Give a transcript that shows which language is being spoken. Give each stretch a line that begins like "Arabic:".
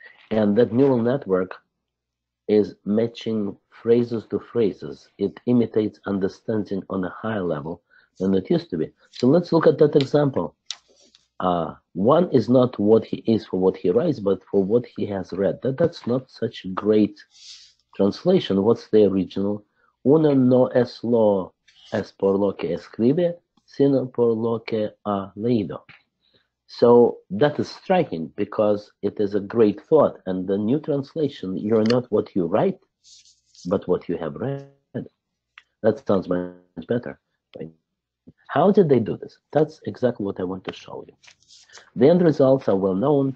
English: And that neural network is matching phrases to phrases. It imitates understanding on a higher level than it used to be. So let's look at that example. One is not what he is for what he writes, but for what he has read. That's not such a great translation. What's the original?
Spanish: Uno no es lo es por lo que escribe, sino por lo que ha leído.
English: So that is striking because it is a great thought. And the new translation, you're not what you write, but what you have read. That sounds much better. How did they do this? That's exactly what I want to show you. The end results are well known.